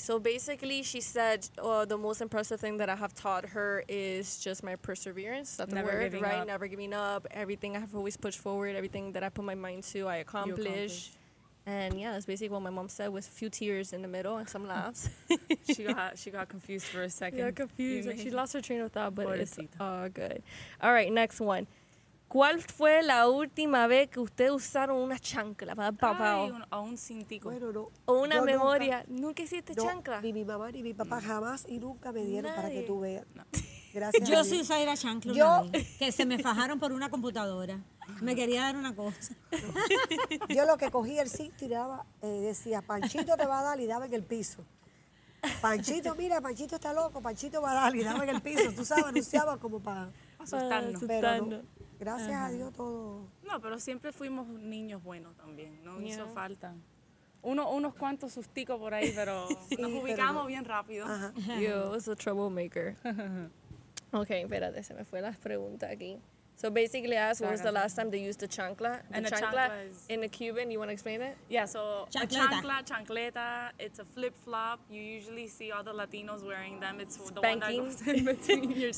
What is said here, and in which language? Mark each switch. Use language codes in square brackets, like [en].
[en] So basically, she said, oh, the most impressive thing that I have taught her is just my perseverance. That's the word, right? Never giving up. Everything I have always pushed forward, everything that I put my mind to, I accomplish. And yeah, that's basically what my mom said, with a few tears in the middle and some laughs. She got confused for a second. Yeah, confused. Like, she lost her train of thought, but pobrecita. It's all good. All right, next one. [es] ¿Cuál fue la última vez que ustedes usaron una chancla? O un cintico. Bueno, no. O una yo memoria. ¿Nunca hiciste chancla? Ni mi mamá ni mi papá jamás y nunca me dieron nadie. Para que tú veas. No. Gracias. Yo sí usé la chancla. Yo. Que se me fajaron por una computadora. Me quería dar una cosa. No. Yo lo que cogí el cinto y daba, decía, Panchito te va a dar y daba en el piso. Panchito, mira, Panchito está loco. Panchito va a dar y daba en el piso. Tú sabes, anunciaba como para asustarnos. Pero no. Gracias a Dios todo. No, pero siempre fuimos niños buenos también. No hizo falta. Unos cuantos susticos por ahí, pero sí, nos ubicamos pero... bien rápido. [en] Yo, was a troublemaker. [es] Ok, espérate, se me fue la pregunta aquí. [en] So basically asked, what was the last time they used the chancla? The chancla is... In the Cuban, you want to explain it? Yeah, so chancleta. A chancla, chancleta, it's a flip-flop. You usually see all the Latinos wearing them. It's spanking. The one that goes in between your toes.